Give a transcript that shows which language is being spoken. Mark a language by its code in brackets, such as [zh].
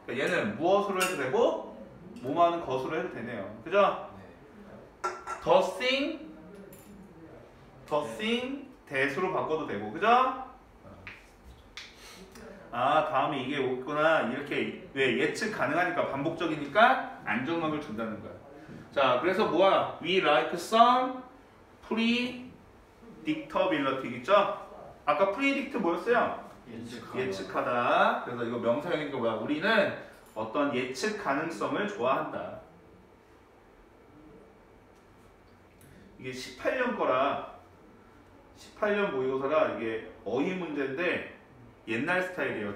[ko] 얘는 무엇으로 해도 되고 뭐만 것으로 해도 되네요. 그죠? [en] The thing [ko] 대수로 바꿔도 되고 그죠? 아, 다음에 이게 오겠구나. 이렇게 왜 예측 가능하니까 반복적이니까 안정감을 준다는 거야. 자, 그래서 뭐야? [en] We like some predictability [ko] 있죠? 아까 predict 뭐였어요? 예측하다. 그래서 이거 명사형인 거 뭐야? 우리는 어떤 예측 가능성을 좋아한다. 이게 18년 거라 18년 모의고사가 이게 어휘 문제인데 옛날 스타일이에요.